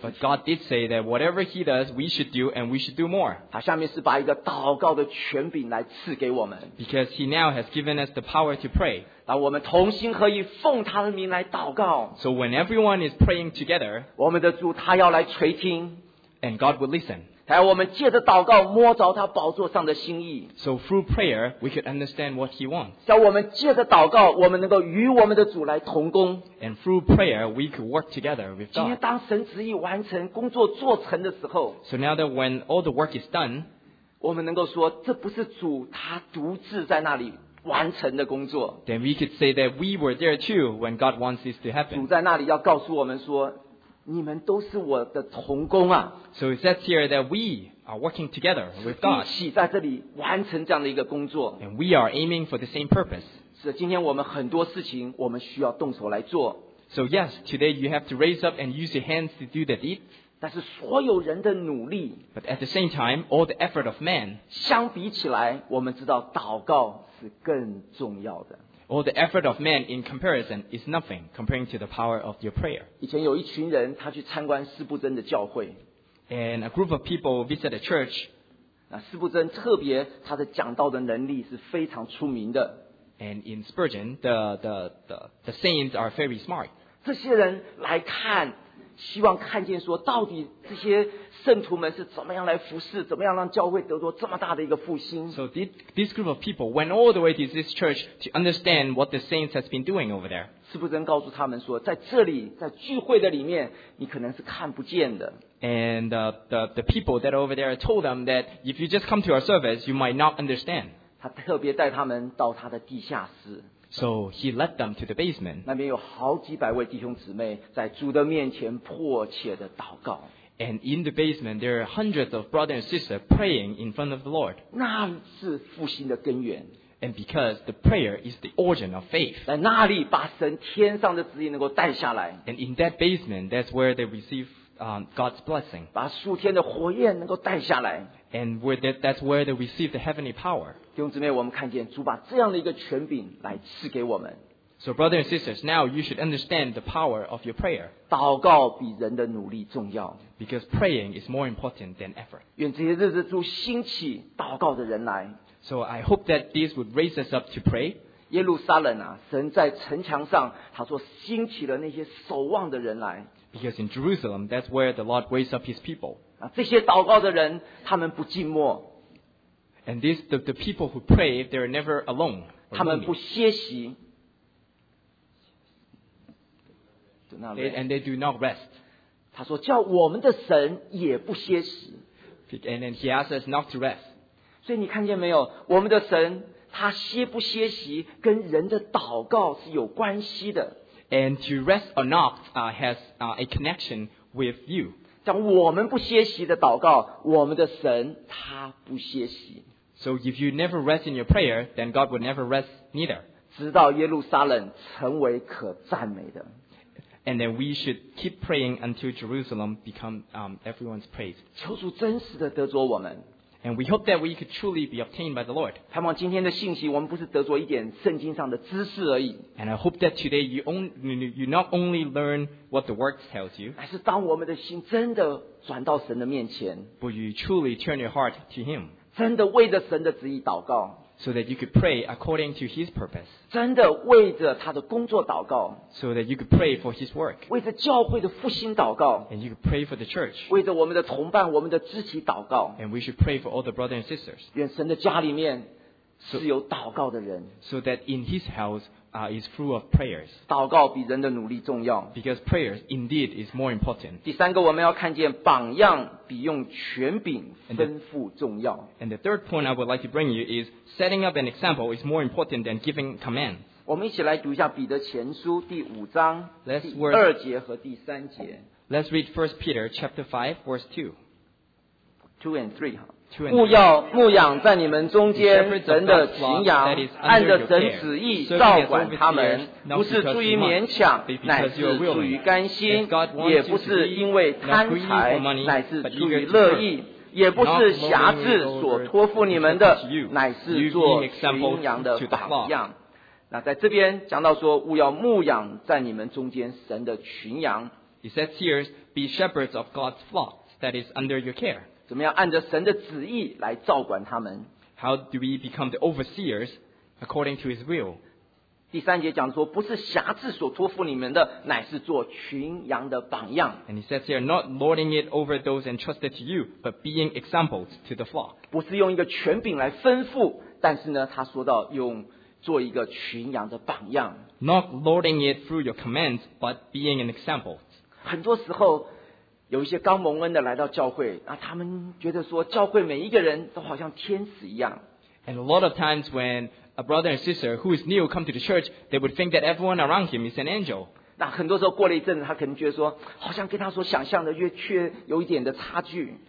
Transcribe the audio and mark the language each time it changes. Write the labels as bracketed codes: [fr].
[en] But God did say that whatever He does, we should do, and we should do more. [zh] 他下面是把一个祷告的权柄来赐给我们。 [en] Because He now has given us the power to pray. [zh] 当我们同心合意奉他的名来祷告 [en] So when everyone is praying together [zh] 我们的主他要来垂听 [en] And God will listen [zh] 还要我们借着祷告摸着他宝座上的心意 [en] So through prayer we could understand what he wants [zh] 叫我们借着祷告我们能够与我们的主来同工 [en] And through prayer we could work together with God [zh] 今天当神旨意完成工作做成的时候 [en] So now that when all the work is done [zh] 我们能够说这不是主他独自在那里完成的工作 [en] Then we could say that we were there too when God wants this to happen. [zh] 主在那里要告诉我们说，你们都是我的同工啊。 [en] So it says here that we are working together with God. [zh] 一起在这里完成这样的一个工作。 [en] And we are aiming for the same purpose. [zh] 是今天我们很多事情我们需要动手来做。 [en] So yes, today you have to raise up and use your hands to do the deed. [zh] 但是所有人的努力 [en] But at the same time, all the effort of man [zh] 相比起来我们知道祷告是更重要的 [en] All the effort of man in comparison is nothing comparing to the power of your prayer [zh] 以前有一群人他去参观斯布珍的教会 [en] And a group of people visited a church [zh] 那斯布珍特别他的讲道的能力是非常出名的 [en] And in Spurgeon, the saints are very smart [zh] 这些人来看希望看见说到底这些圣徒们是怎么样来服侍怎么样让教会得到这么大的一个复兴 [en] So this group of people went all the way to this church to understand what the saints has been doing over there [zh] 斯布珍告诉他们说在这里在聚会的里面你可能是看不见的 [en] And the people that are over there told them that if you just come to our service you might not understand [zh] 他特别带他们到他的地下室 [en] So he led them to the basement. [zh] 那边有好几百位弟兄姊妹在主的面前迫切的祷告。 [en] And in the basement, there are hundreds of brothers and sisters praying in front of the Lord. [zh] 那是复兴的根源。 [en] And because the prayer is the origin of faith. [zh] 在那里把神天上的旨意能够带下来。 [en] And in that basement, that's where they receive God's blessing. [zh] 把属天的火焰能够带下来。 [en] And that's where they receive the heavenly power. [zh] 弟兄姊妹，我们看见主把这样的一个权柄来赐给我们。 [en] So brothers and sisters, now you should understand the power of your prayer. [zh] 祷告比人的努力重要。 [en] Because praying is more important than effort. [zh] 愿这些日子主兴起祷告的人来。 [en] So I hope that this would raise us up to pray. [zh] 耶路撒冷啊，神在城墙上，他说兴起了那些守望的人来。 [en] Because in Jerusalem, that's where the Lord raised up his people. [zh] 啊，这些祷告的人，他们不寂寞。 [en] And these the people who pray, they are never alone. [zh] 他们不歇息。 [en] And they do not rest. [zh] 他说叫我们的神也不歇息。 [en] And then he asks us not to rest. [zh] 所以你看见没有，我们的神他歇不歇息跟人的祷告是有关系的。 [en] And to rest or not has a connection with you. [zh] 像我们不歇息的祷告，我们的神他不歇息。 [en] So if you never rest in your prayer, then God will never rest neither. [zh] 直到耶路撒冷成为可赞美的。 [en] And then we should keep praying until Jerusalem become everyone's praise. [zh] 求主真实的得着我们。 [en] And we hope that we could truly be obtained by the Lord. [zh] 盼望今天的信息，我们不是得着一点圣经上的知识而已。 [en] And I hope that today you not only learn what the Word tells you. [zh] 而是当我们的心真的转到神的面前。 [en] But you truly turn your heart to Him. [zh] 真的为着神的旨意祷告。 [en] So that you could pray according to His purpose. [zh] 真的为着他的工作祷告。 [en] So that you could pray for His work. [zh] 为着教会的复兴祷告。 [en] And you could pray for the church. [zh] 为着我们的同伴，我们的肢体祷告。 [en] And we should pray for all the brothers and sisters. [zh] 愿神的家里面是有祷告的人。 [en] So that in His house, is full of prayers. [zh] 祷告比人的努力重要。 [en] Because prayers indeed is more important. [zh] 第三个，我们要看见榜样比用权柄吩咐重要。 [en] And the third point I would like to bring you is setting up an example is more important than giving commands. [zh] 我们一起来读一下彼得前书第五章第二节和第三节。 [en] Let's read 1 Peter chapter 5 verse 2. 2 and 3. [zh] 牧要牧养在你们中间神的群羊，按着神旨意照管他们，不是出于勉强，乃是出于甘心，也不是因为贪财，乃是出于乐意，也不是辖制所托付你们的，乃是做群羊的榜样。那在这边讲到说，务要牧养在你们中间神的群羊。 [en] He says here, be shepherds of God's flock that is under your care. [zh] 怎么样按着神的旨意来照管他们？ [en] How do we become the overseers according to His will? [zh] 第三节讲说，不是辖制所托付你们的，乃是做群羊的榜样。 [en] And He says here, not lording it over those entrusted to you, but being examples to the flock. [zh] 不是用一个权柄来吩咐，但是呢，他说到用。做一个群羊的榜样。 [en] Not lording it through your commands, but being an example. [zh] 很多时候，有一些刚蒙恩的来到教会，啊，他们觉得说教会每一个人都好像天使一样。 [en] And a lot of times when a brother and sister who is new come to the church, they would think that everyone around him is an angel. [zh] 那很多时候过了一阵子，他可能觉得说，好像跟他所想象的越缺有一点的差距。